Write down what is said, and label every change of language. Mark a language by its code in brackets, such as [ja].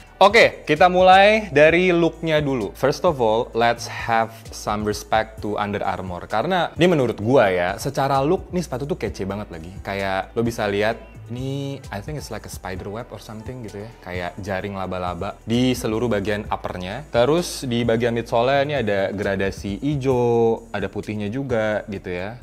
[id] Oke, kita mulai dari look-nya dulu. [en] First of all, let's have some respect to Under Armour. [id] Karena ini menurut gue ya, secara look nih sepatu tuh kece banget lagi. Kayak lo bisa lihat. Ini, [en] I think it's like a spider web or something [id] gitu ya. Kayak jaring laba-laba di seluruh bagian upper-nya. Terus di bagian midsole-nya ini ada gradasi hijau, ada putihnya juga gitu ya.